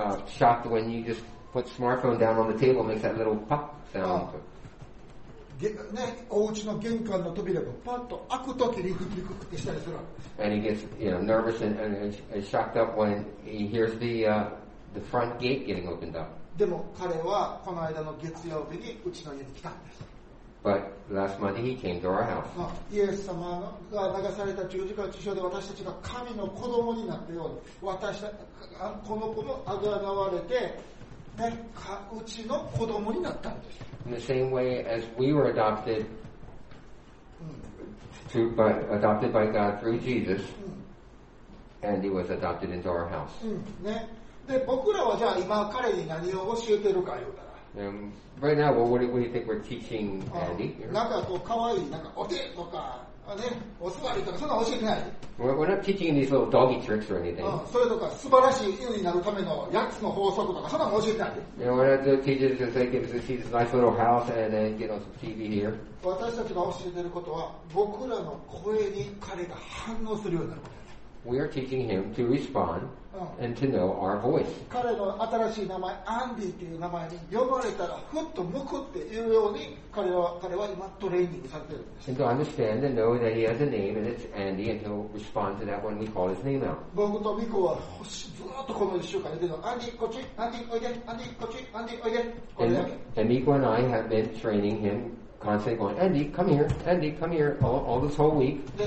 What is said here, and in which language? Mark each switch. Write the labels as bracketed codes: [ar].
[en] shocked when you just put smartphone down on the table, makes that little pop sound. [ja] ね、お家の玄関の扉がパッと開くときリクリクってしたりする。 [en] And he gets, you know, nervous and shocked up when he hears the front gate getting opened up. [ja] でも彼はこの間の月曜日にうちの家に来たんです。 [en] But last Monday he came to our house. [ja] イエス様が流された十字架の血潮で私たちが神の子供になったように、私たちこの子もあがらわれて、ね、うちの子供になったんです。 [en] In the same way as we were adopted, adopted by God through Jesus, and he was adopted into our house. ね。 [ja] で僕らはじゃあ今彼に何を教えてるか言うたら、 [en] right now, what do you think we're teaching Andy? [ja] なんかこう可愛いなんかお手とかね、お座りとかそんな教えてない。 [en] We're not teaching these little doggy tricks or anything. [ja] それとか素晴らしい犬になるための八つの法則とかそんな教えてない。 [en] Yeah, we're not teaching just to give us this nice little house and then get on some TV here. [ja] 私たちが教えてることは僕らの声に彼が反応するようになること。 [en] We are teaching him to respond and to know our voice. [ja] 彼の新しい名前、アンディという名前に呼ばれたら、ふっと向くっていうように彼は今トレーニングされているんです。 [en] And to understand and know that he has a name and it's Andy and he'll respond to that when we call his name out. [ja] 僕とミコはずっとこの一週間言ってるの、アンディこっち、アンディおいで、アンディこっち、アンディおいで、おいで。 [en] And ミコ and I have been training him. Constantly going, Andy, come here, Andy, come here, all this whole week.